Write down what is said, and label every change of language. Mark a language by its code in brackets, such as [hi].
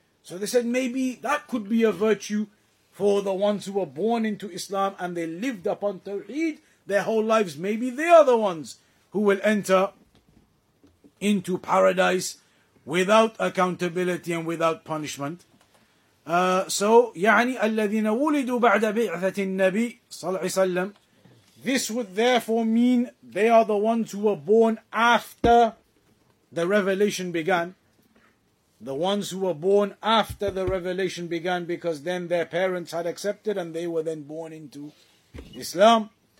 [en] So they said maybe that could be a virtue for the ones who were born into Islam and they lived upon Tawheed their whole lives. Maybe they are the ones who will enter into paradise without accountability and without punishment. [ar] So, يعني الذين ولدوا بعد بعثة النبي صلى الله عليه وسلم. [en] This would therefore mean they are the ones who were born after the revelation began. The ones who were born after the revelation began, because then their parents had accepted and they were then born into Islam.